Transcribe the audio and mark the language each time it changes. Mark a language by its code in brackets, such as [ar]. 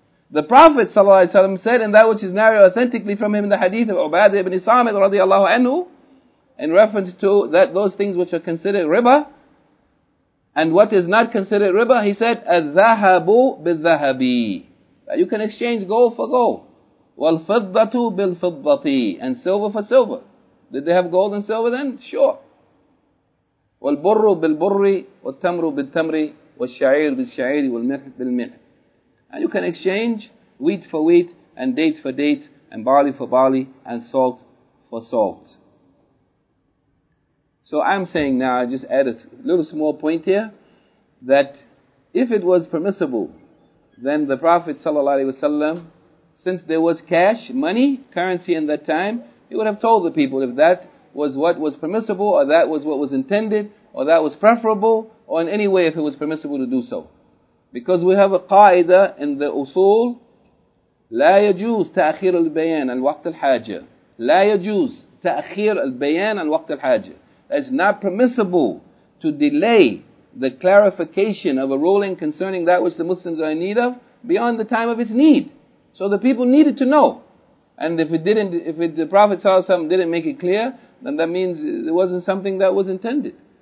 [en] The Prophet ﷺ said, and that which is narrated authentically from him in the hadith of Ubadah ibn Samit radiallahu anhu, in reference to that those things which are considered riba, and what is not considered riba, he said, [ar] الذهب بالذهبي. [en] You can exchange gold for gold. [ar] والفضة بالفضة. [en] And silver for silver. Did they have gold and silver then? Sure. [ar] والبر بالبر والتمر بالتمر والشعير بالشعير والملح بالملح. [en] And you can exchange wheat for wheat and dates for dates and barley for barley and salt for salt. So I'm saying now, I just add a little small point here, that if it was permissible, then the Prophet ﷺ, since there was cash, money, currency in that time, he would have told the people if that was what was permissible, or that was what was intended, or that was preferable, or in any way if it was permissible to do so. Because we have a qaida in the usul, [ar] لا يجوز تأخير البيان عن وقت الحاجة. لا يجوز تأخير البيان عن وقت الحاجة. [en] It's not permissible to delay the clarification of a ruling concerning that which the Muslims are in need of beyond the time of its need. So the people needed to know. And if the Prophet ﷺ didn't make it clear, then that means it wasn't something that was intended.